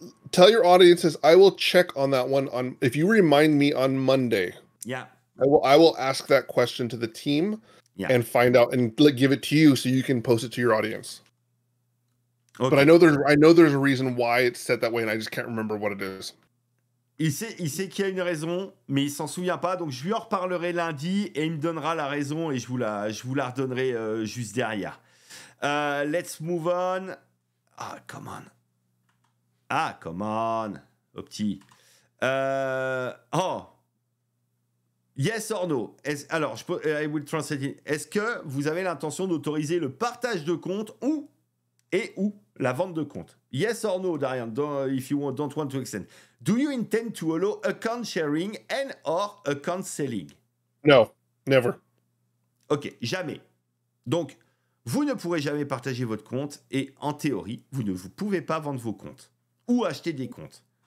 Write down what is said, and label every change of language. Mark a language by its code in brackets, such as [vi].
[en] Tell your audiences, I will check on that one. If you remind me on Monday, yeah, I will ask that question to the team, yeah, and find out and give it to you so you can post it to your audience. Okay. But I know there's a reason why it's set that way, and I just can't remember what it is. [fr] Il sait qu'il y a une raison, mais il s'en souvient pas. Donc je lui en reparlerai lundi et il me donnera la raison et je vous la redonnerai juste derrière. [en] Let's move on. Oh, come on. Ah, come on, opti. Oh, yes or no. [fr] Alors, [en] I will translate it. [fr] Est-ce que vous avez l'intention d'autoriser le partage de compte ou et ou la vente de compte? [en] Yes or no, Darian, if you don't want to extend. Do you intend to allow account sharing and or account selling? No, never. [fr] Ok, jamais. Donc, vous ne pourrez jamais partager votre compte et en théorie, vous ne vous pouvez pas vendre vos comptes ou acheter des comptes.